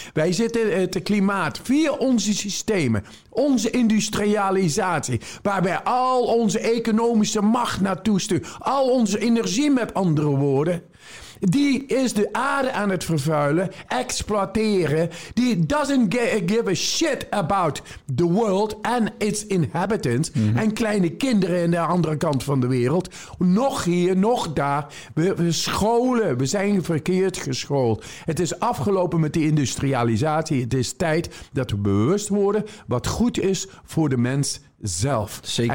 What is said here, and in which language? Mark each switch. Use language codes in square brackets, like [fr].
[nl] Wij zitten het klimaat via onze systemen. Onze industrialisatie. Waar wij al onze economische macht naartoe sturen. Al onze energie, met andere woorden. Die is de aarde aan het vervuilen, exploiteren. [en] Die doesn't give a shit about the world and its inhabitants. Mm-hmm. [nl] En kleine kinderen in de andere kant van de wereld. Nog hier, nog daar. We scholen, we zijn verkeerd geschoold. Het is afgelopen met die industrialisatie. Het is tijd dat we bewust worden wat goed is voor de mens zelf. Zeker.